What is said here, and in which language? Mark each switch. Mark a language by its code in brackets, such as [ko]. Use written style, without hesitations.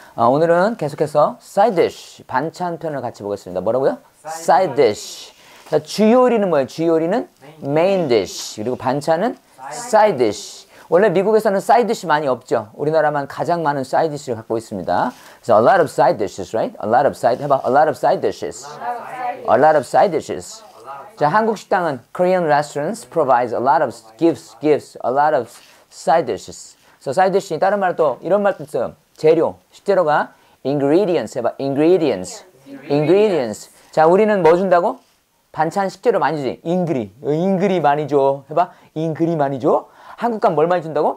[ko] 오늘은 계속해서 side dish, 반찬 편을 같이 보겠습니다. 뭐라고요? [en] Side dish. [ko] 자, 주요 요리는 뭐예요? 주요 요리는 main dish. 그리고 반찬은 side dish. 원래 미국에서는 side dish 많이 없죠. 우리나라만 가장 많은 side dish를 갖고 있습니다. [en] So a lot of side dishes, right? A lot of side, 해봐. A lot of side dishes. A lot of side dishes. [ko] 자, 한국 식당은 [en] Korean restaurants provides a lot of gifts, a lot of side dishes. [ko] So side dish, 다른 말도 이런 말도 있어요. 재료, 식재료가 ingredients, 해봐, ingredients. Ingredients. 자, 우리는 뭐 준다고? 반찬 식재료 많이 주지. 잉그리, 잉그리 많이 줘. 해봐, 잉그리 많이 줘. 한국 가면 뭘 많이 준다고?